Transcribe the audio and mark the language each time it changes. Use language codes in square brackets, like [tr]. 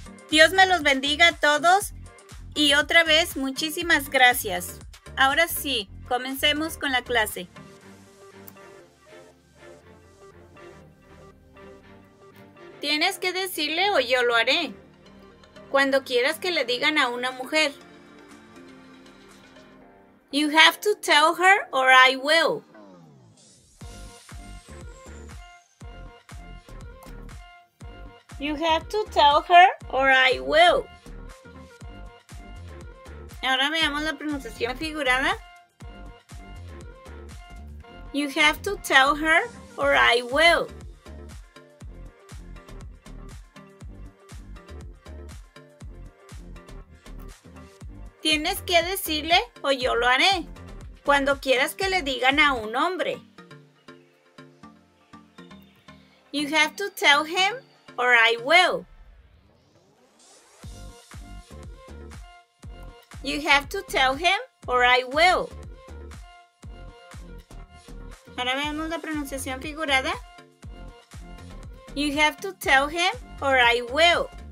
[es] Dios me los bendiga a todos y otra vez, muchísimas gracias. Ahora sí, comencemos con la clase. Tienes que decirle o yo lo haré. Cuando quieras que le digan a una mujer. [en] You have to tell her or I will. You have to tell her or I will. [es] Ahora veamos la pronunciación figurada. [en] You have to tell her or I will. [es] Tienes que decirle o yo lo haré. Cuando quieras que le digan a un hombre. [en] You have to tell him or I will. You have to tell him or I will. [es] Ahora veamos la pronunciación figurada. [en] You have to tell him or I will.